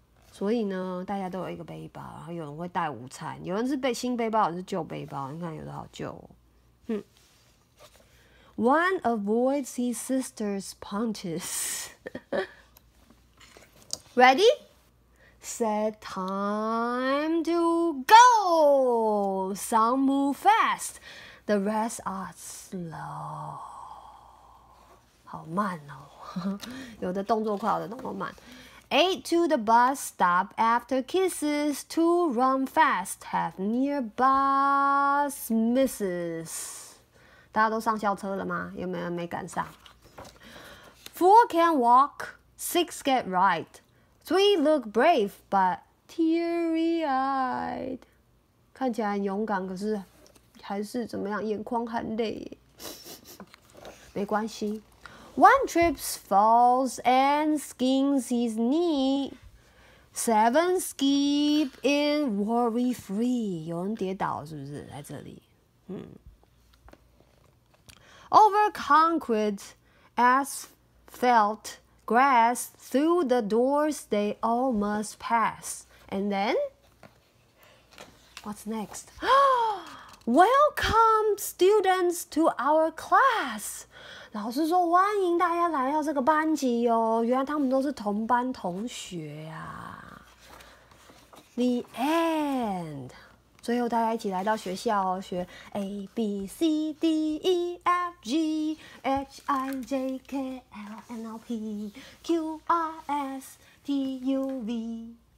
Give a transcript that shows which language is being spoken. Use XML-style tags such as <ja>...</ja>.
<zh>所以呢，大家都有一个背包，然后有人会带午餐，有人是背新背包，有人是旧背包。你看有的好旧哦，哼。</zh> <en>One avoids his sister's punches. Ready? Set time to go! Some move fast, the rest are slow.</en> <zh>好慢哦，有的动作快，有的动作慢。</zh> <en>Eight to the bus stop after kisses, two run fast, have near bus misses.</en> <zh>大家都上校车了吗？有没有没赶上</zh> <en>？Four can walk, six get right, three look brave but teary-eyed.</en> <zh>看起来很勇敢，可是还是怎么样，眼眶含泪。没关系。</zh> <en>One trips falls and skins his knee. Seven skip in worry free.</en> <zh>有人跌倒是不是在这里？嗯。</zh> <en>Over concrete asphalt grass through the doors they all must pass. And then? What's next? Welcome students to our class.</en> <zh>老师说欢迎大家来到这个班级哦。原来他们都是同班同学啊。</zh> <en>The end.</en> <zh>最后大家一起来到学校哦，学</zh> <en>A B C D E F G H I J K L M N O P Q R S T U V.</en>